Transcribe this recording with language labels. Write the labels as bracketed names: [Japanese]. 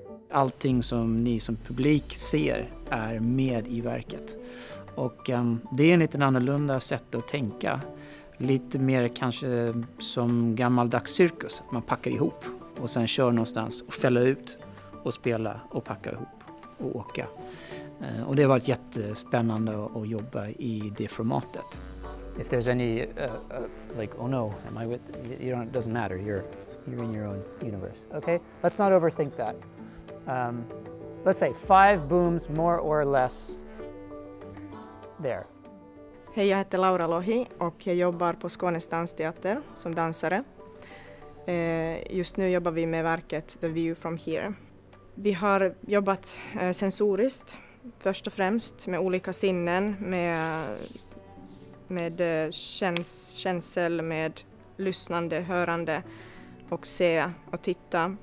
[Swedish] Allting som ni som publik ser är med i verket, och det är en lite annorlunda sätt att tänka. Lite mer kanske som gammaldags cirkus, att man packar ihop och sen kör någonstans och fäller ut och spela och packa ihop. Och åka. Och det har varit jättespännande att jobba i det formatet. [English] If there's any like, oh no, am I with you? It doesn't matter. You're in your own universe. Okay? Let's not overthink that. Let's say 5 booms more or less there. [Swedish] Hej, jag heter Laura Lohi och jag jobbar på Skånes Dansteater som dansare. Just nu jobbar vi med verket The View From Here. Vi har jobbat sensoriskt, först och främst, med olika sinnen, med känsel, med lyssnande, hörande och se och titta.